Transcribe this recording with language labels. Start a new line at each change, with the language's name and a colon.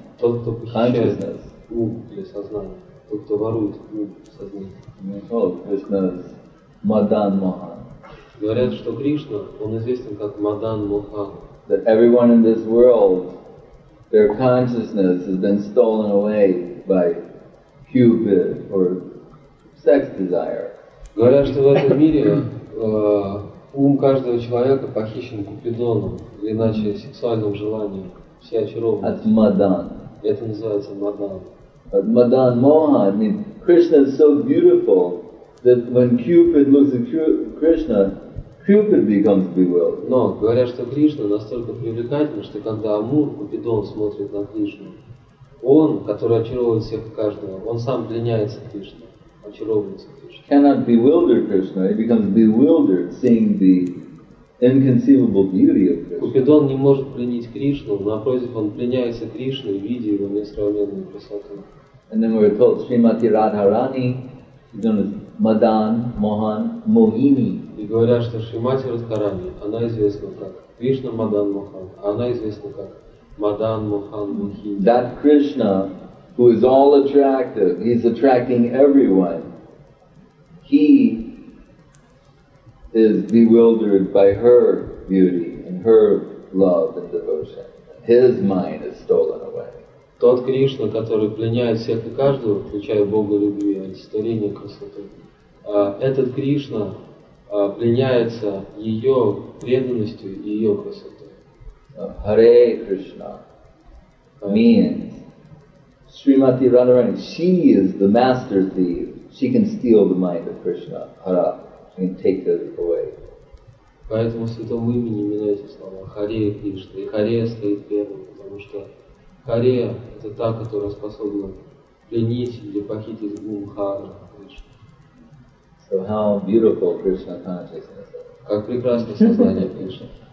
Russian: Тот, кто похищает ум или сознание. Тот, кто ворует ум сознание.
English: Oh, Krishna is Madan Mohan.
Russian: Говорят, что Кришна, он известен как Madan Mohan.
English: That everyone in this world, their consciousness has been stolen away by Cupid or sex desire.
Russian: Говорят, что в этом мире ум каждого человека похищен Купидоном, или иначе сексуальным желанием. Все очарованы. От Мадан. Это называется Мадан. От Мадан Моха.
English: I mean, Krishna is so beautiful that when Cupid looks at Krishna, Cupid becomes bewildered.
Russian: Но говорят, что Кришна настолько привлекательна, что когда Амур, Купидон, смотрит на Кришну, он, который очаровывает всех и каждого, он сам пленяется Кришне, очаровывается Кришне.
English: Cannot bewilder Krishna, he becomes bewildered seeing the inconceivable beauty of Krishna.
Russian: Купидон не может пленить Кришну, напротив, он пленяется Кришной, видя его несравненную красоту.
English: And then we're told, Shrimati Radharani, known as Madan, Mohan, Mohini.
Russian: И говорят, что Шримати Радхарани, она известна как Кришна Мадан Мохан, она известна как Мадан Мохан Мохини.
English: That Krishna, who is all attractive, he's attracting everyone. He is bewildered by her beauty and her love and devotion. His mind is stolen away.
Russian: Тот Кришна, который пленяет всех и каждого, включая Бога любви, олицетворение красоты, этот Кришна пленяется ее преданностью и ее красотой.
English: Hare Krishna means Srimati Radharani, she is the master thief. She can steal the mind of Krishna, Hara, she can take it away.
Russian: Поэтому святому имени именно эти слова, Харе Кришна, и Харе стоит первым, потому что Харе — это та, которая способна пленить или похитить ум Хара Кришна.
English: So how beautiful Krishna consciousness is.
Russian: Как прекрасно сознание Кришна.